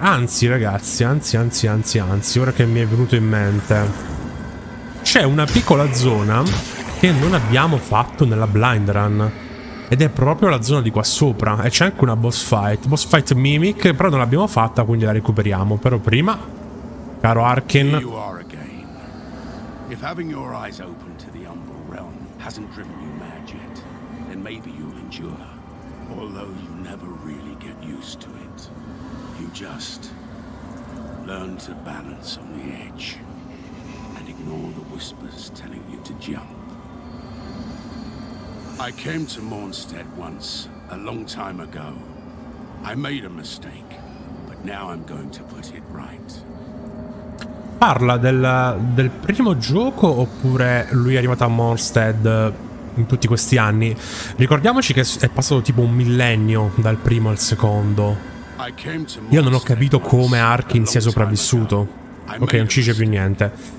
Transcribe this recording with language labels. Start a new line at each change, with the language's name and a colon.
Italian: Anzi, ragazzi, anzi, ora che mi è venuto in mente, c'è una piccola zona che non abbiamo fatto nella blind run, ed è proprio la zona di qua sopra. E c'è anche una boss fight Mimic, però non l'abbiamo fatta, quindi la recuperiamo. Però prima, caro Arkin.
English: If having your eyes open to the Umbral Realm hasn't driven you mad yet, then maybe you'll endure. Although you never really get used to it. You just learn to balance on the edge and ignore the whispers telling you to jump. I came to Mornstead once, a long time ago. I made a mistake, but now I'm going to put it right.
Italian: Parla del primo gioco, oppure lui è arrivato a Mornstead in tutti questi anni? Ricordiamoci che è passato tipo un millennio dal primo al secondo. Io non ho capito come Arkin sia sopravvissuto. Ok, non ci c'è più niente.